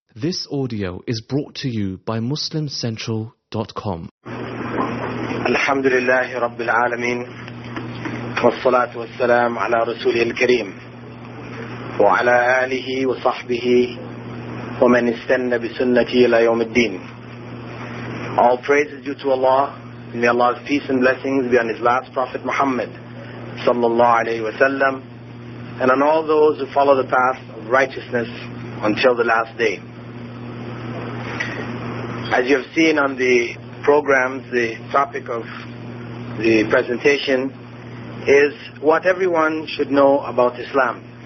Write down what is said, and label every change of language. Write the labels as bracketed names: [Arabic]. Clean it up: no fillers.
[English] This audio is brought to you by MuslimCentral.com. [Arabic] الحمد لله رب العالمين والصلاة والسلام على رسوله الكريم وعلى آله وصحبه ومن استنى بسنته إلى يوم الدين. [English] All praise is due to Allah. May Allah's peace and blessings be on His last Prophet Muhammad صلى الله عليه وسلم and on all those who follow the path of righteousness until the last day. As you have seen on the programs, the topic of the presentation is what everyone should know about Islam.